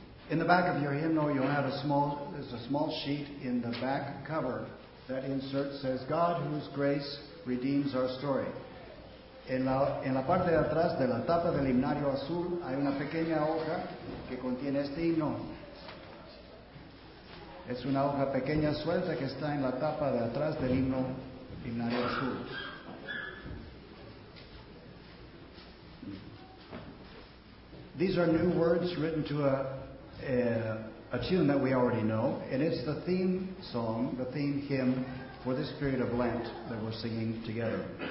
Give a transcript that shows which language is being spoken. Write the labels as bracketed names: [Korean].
[English] In the back of your hymnal, you'll have a small sheet in the back cover. That insert says, "God whose grace redeems our story." [Spanish] En la parte de atrás de la tapa del himnario azul hay una pequeña hoja que contiene este himno. Es una hoja pequeña suelta que está en la tapa de atrás del himnario azul. [English] These are new words written to a tune that we already know, and it's the theme song, the theme hymn for this period of Lent that we're singing together.